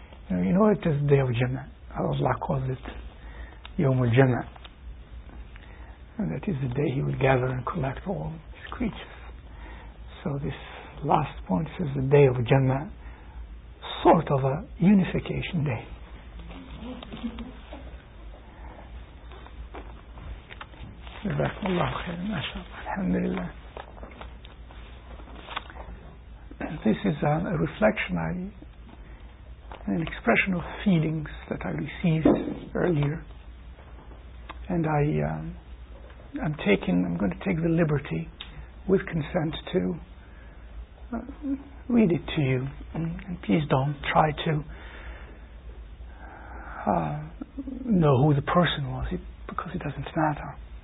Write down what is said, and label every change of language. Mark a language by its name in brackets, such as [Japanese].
[English] You know it is the day of Jama'ah. Allah calls it Yawm al-Jama'ah. And that is the day He will gather and collect all His creatures. So this last point says the day of Jama'ah, sort of a unification day. [Arabic] جزاكم الله خير ما شاء الله الحمد لله. [English] This is a reflection, an expression of feelings that I received earlier, and I'm going to take the liberty, with consent, to read it to you, and please don't try to know who the person was, because it doesn't matter.